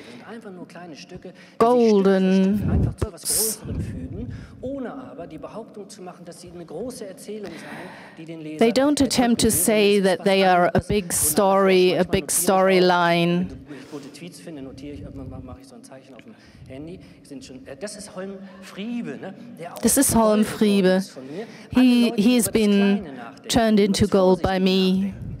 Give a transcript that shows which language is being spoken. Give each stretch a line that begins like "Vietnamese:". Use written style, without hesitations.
German: einfach nur kleine Stücke, golden einfach zu etwas Größerem fügen, ohne aber die Behauptung zu machen, dass sie eine große Erzählung seien, die den Leser.
English: They don't attempt to say that they are a big story, a big storyline.
German: Gute Tweets finde, notiere ich, mache ich so ein Zeichen auf dem Handy. Sind schon, das ist Holm Friebe, ne?
English: This is Holm Friebe. He has been turned into gold by me.